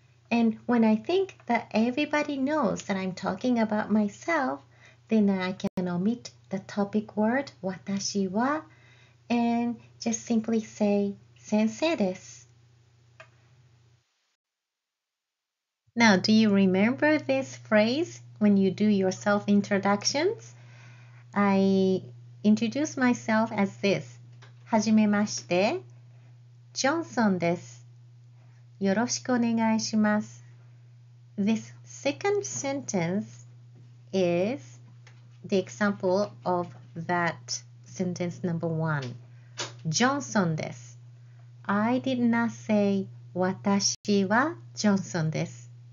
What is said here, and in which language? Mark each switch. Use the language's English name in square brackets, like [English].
[English] And when I think that everybody knows that I'm talking about myself, then I can omit the topic word 私は and just simply say [Japanese] 先生です。 [English] Now, do you remember this phrase when you do your self-introductions? I introduce myself as this. [Japanese] はじめまして、ジョンソンです。よろしくお願いします。 [English] This second sentence is the example of that sentence number one. [Japanese] ジョンソンです。 [English] I did not say [Japanese] 私はジョンソンです。